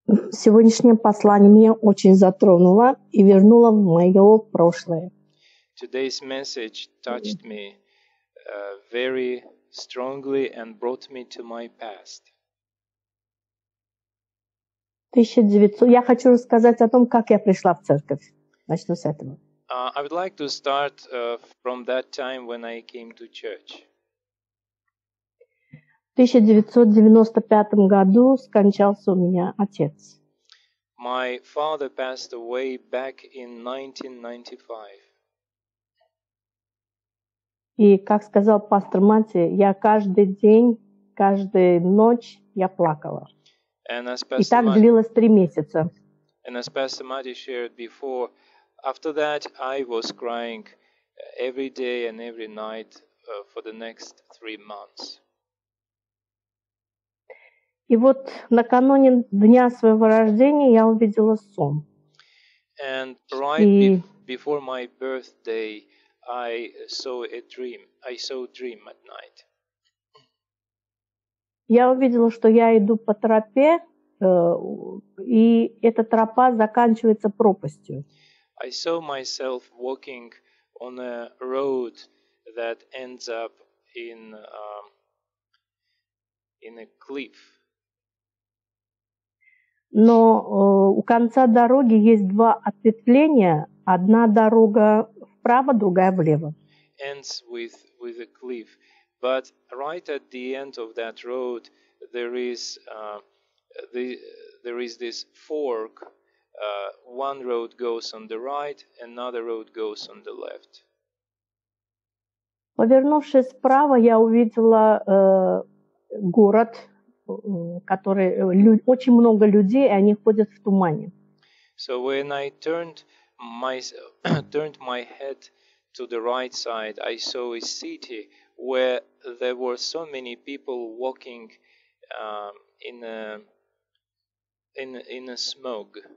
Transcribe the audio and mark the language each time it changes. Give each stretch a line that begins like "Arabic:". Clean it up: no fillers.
Russian: Сегодняшнее послание меня очень затронуло и вернуло в мое прошлое.
English: Today's message touched me very strongly and brought me to my past.
Russian: Я хочу рассказать о том, как я пришла в церковь. Начну с этого.
English: I would like to start from that time when I came to church.
Russian: В 1995 году скончался у меня отец.
English: My father passed away back in 1995.
Russian: И, как сказал пастор Мати, я каждый день, каждую ночь я плакала.
English: And as
Russian: И так длилось три месяца.
English: And as Pastor Mati shared before, after that I was crying every day and every night for the next three months.
Russian: И вот накануне дня своего рождения я увидела сон.
English: And right before my birthday, I saw a dream. I saw a dream at night.
Russian: Я увидела, что я иду по тропе, и эта тропа заканчивается пропастью.
English: I saw myself walking on a road that ends up in a cliff.
Russian: Но у конца дороги есть два ответвления. Одна дорога вправо, другая влево.
English: Ends with a cliff. But right at the end of that road, there is this fork. One road goes on the right, another road goes on the left.
Russian: Повернувшись вправо, я увидела город, которые очень много людей, и они ходят в тумане.
English: So when I turned my head to the right side, I saw a city where there were so many people walking in a smog.